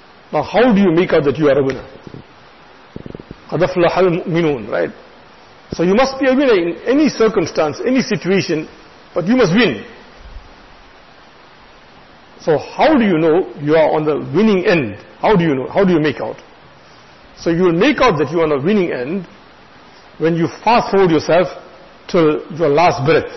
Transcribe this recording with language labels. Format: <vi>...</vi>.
<en>Now how do you make out that you are a winner?</en> <ar>قَدَ فَلَحَ الْمُؤْمِنُونَ, right?</ar> <en>So you must be a winner in any circumstance, any situation, but you must win. So how do you know you are on the winning end? How do you know? How do you make out? So you will make out that you are on the winning end when you fast forward yourself till your last breath.</en>